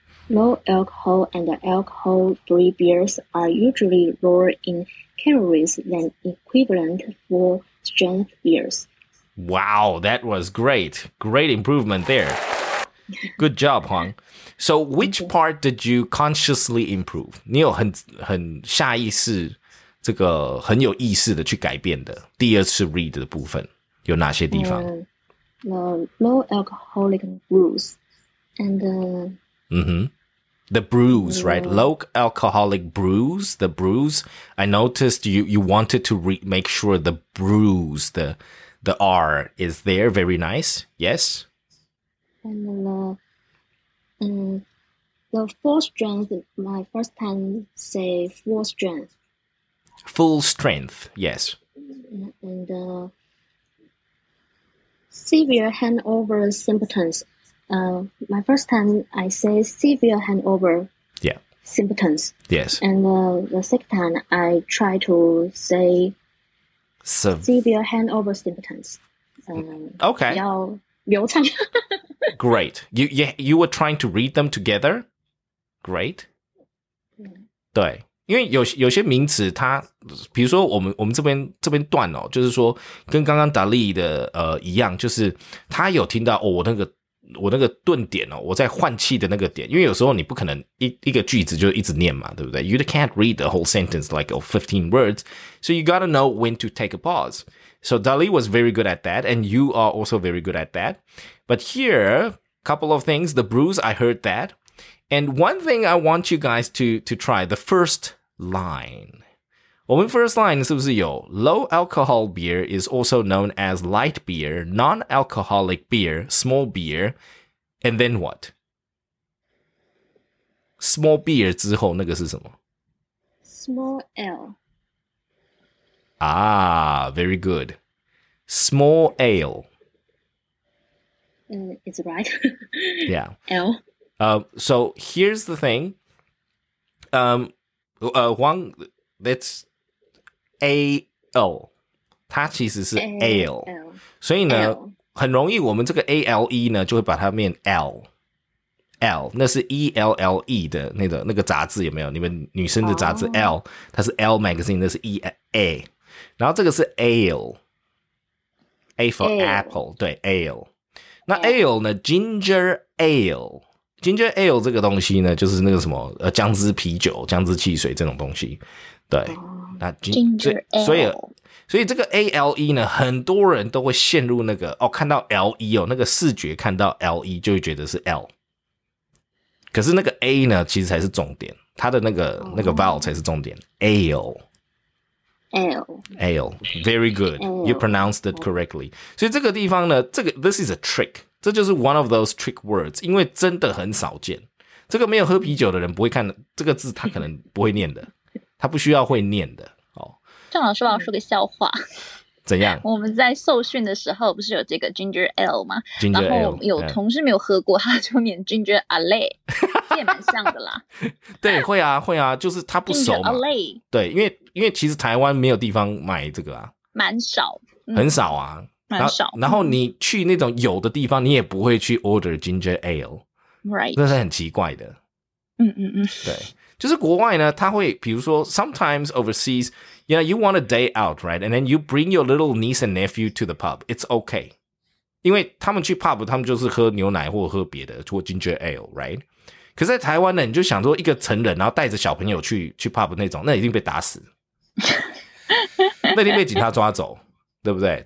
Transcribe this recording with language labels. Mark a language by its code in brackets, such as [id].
[en] Low alcohol and alcohol-free beers are usually lower in calories than equivalent full-strength beers. Wow, that was great. Great improvement there. Good job, Huang. So which part did you consciously improve? [zh] 你有很下意识，这个很有意识的去改变的，第二次 read 的部分，有哪些地方？ [en] The low alcoholic brews and the brews, right? Low alcoholic brews, the brews. I noticed you wanted to make sure the brews, the R is there, very nice. Yes. And the full strength, my first time say full strength. Full strength, yes. And severe hangover symptoms. My first time I say severe hangover. Yeah. Symptoms. Yes. And the second time I try to say severe hangover symptoms. Okay. [zh] 比较流畅。 [en] Great. You were trying to read them together. Great. 对。 [zh] 因为有些名词它比如说我们这边段哦，就是说跟刚刚达利的一样，就是他有听到，哦，我那个顿点哦，我在换气的那个点，因为有时候你不可能一个句子就一直念嘛，对不对？ [en] You can't read the whole sentence like of 15 words, so you gotta know when to take a pause. So Dali was very good at that, and you are also very good at that. But here, couple of things, the bruise, I heard that. And one thing I want you guys to try, the first line. 我们 first line [zh] 是不是有 [en] low alcohol beer is also known as light beer, non-alcoholic beer, small beer, and then what? [zh] Small beer 之后那个是什么？ [en] Small ale. Ah, very good. Small ale. It's right. Yeah. L. So here's the thing. Huang, that's A-L, 它其实是 A-L, [zh] 所以呢很容易我们这个 A-L-E 呢就会把它念 L。 L 那是 E L L E 的那个杂志有没有？你们女生的杂志 L， 它是 L magazine， 那是 E A， 然后这个是 Ale，A for apple， 对 Ale。那 Ale 呢 ？Ginger Ale，Ginger Ale 这个东西呢，就是那个什么姜汁啤酒、姜汁汽水这种东西。对，那 [en] Ginger Ale。 [zh] 所以这个 ALE 呢很多人都会陷入那个哦，看到 LE 哦，那个视觉看到 LE 就会觉得是 L， 可是那个 A 呢其实才是重点，它的那个vowel 才是重点。 [en] ALE very good, you pronounced it correctly. [zh] 所以这个地方呢，这个 [en] this is a trick， [zh] 这就是 [en] one of those trick words， [zh] 因为真的很少见，这个没有喝啤酒的人不会看这个字，他可能不会念的，他不需要会念的。郑老师，帮我说个笑话。怎样？我们在受训的时候，不是有这个 ginger ale 吗？ [en] Ginger [zh] 然后有同事没有喝过，他就念 ginger ale， 也蛮像的啦。对，会啊，会啊，就是他不熟嘛。 [en] Ale， [zh] 对，因为其实台湾没有地方买这个啊，蛮少，很少啊，蛮少。然后你去那种有的地方，你也不会去 order ginger ale， [en] right？ [zh] 那是很奇怪的。嗯嗯嗯，对。就是国外呢，他会比如说 [en] ，sometimes overseas， you know you want a day out， right？ And then you bring your little niece and nephew to the pub， it's okay， [zh] 因为他们去 pub， 他们就是喝牛奶或喝别的，或 ginger ale， [en] right？ [zh] 可是在台湾呢，你就想说一个成人，然后带着小朋友去 pub 那种，那一定被打死，那一定被警察抓走，对不对？